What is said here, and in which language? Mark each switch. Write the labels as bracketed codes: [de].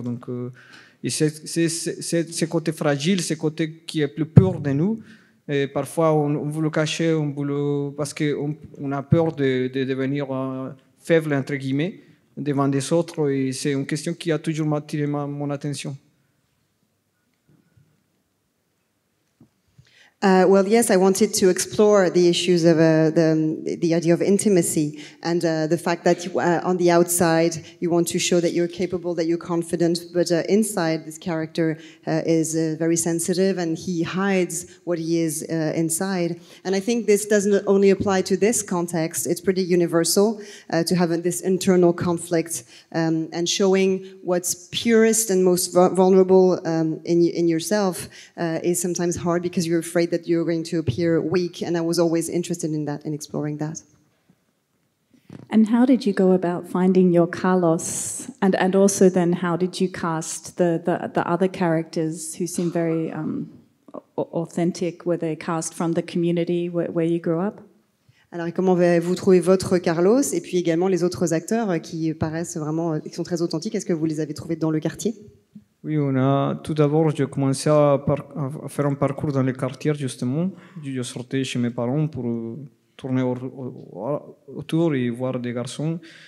[fr] Donc, et c'est ce côté fragile, ce côté qui est plus pur de nous. Et parfois, on veut le cacher, parce qu'on a peur de devenir faible, entre guillemets, devant des autres. Et c'est une question qui a toujours attiré mon attention. [en] Well, yes, I wanted to explore the issues of the idea of intimacy and the fact that on the outside you want to show that you're capable, that you're confident, but inside this character is very sensitive and he hides what he is inside. And I think this doesn't only apply to this context, it's pretty universal to have this internal conflict and showing what's purest and most vulnerable in yourself is sometimes hard because you're afraid that you're going to appear weak, and I was always interested in that, in exploring that. And how did you go about finding your Carlos? And also then, how did you cast the other characters who seem very authentic? Were they cast from the community where you grew up? [fr] Alors, comment avez-vous trouvé votre Carlos? Et puis également les autres acteurs qui paraissent vraiment, qui sont très authentiques, est-ce que vous les avez trouvés dans le quartier? Oui, on a, tout d'abord, j'ai commencé à faire un parcours dans les quartiers, justement. Je sortais chez mes parents pour tourner autour et voir des garçons.